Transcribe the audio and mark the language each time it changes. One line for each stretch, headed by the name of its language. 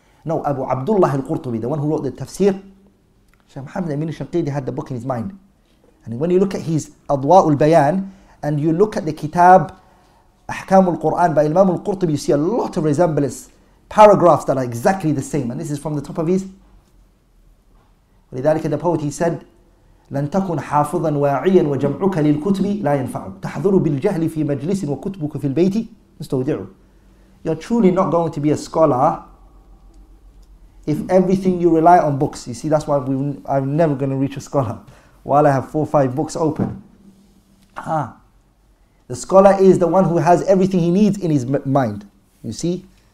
English: No, Abu Abdullah al-Qurtubi, the one who wrote the Tafsir. Shaykh Muhammad al-Amin al-Shanqiti had the book in his mind. And when you look at his Adwa'ul Bayan, and you look at the kitab Ahkam al-Qur'an by Imam al-Qurtubi, you see a lot of resemblance, paragraphs that are exactly the same. And this is from the top of his.
Arabic: لذلك
English: the poet, he said,
Arabic: لَن تَكُنْ حَافِظًا وَاعِيًا وَجَمْعُكَ لِلْكُتْبِ لَا يَنْفَعُ تَحْذُرُ بِالْجَهْلِ فِي مَجْلِسٍ وَكُتْبُكَ فِي الْبَيْتِ مُسْتَوْدِعُ.
English: You're truly not going to be a scholar if everything you rely on books. You see, that's why I'm never going to reach a scholar while I have 4 or 5 books open. The scholar is the one who has everything he needs in his mind. You see?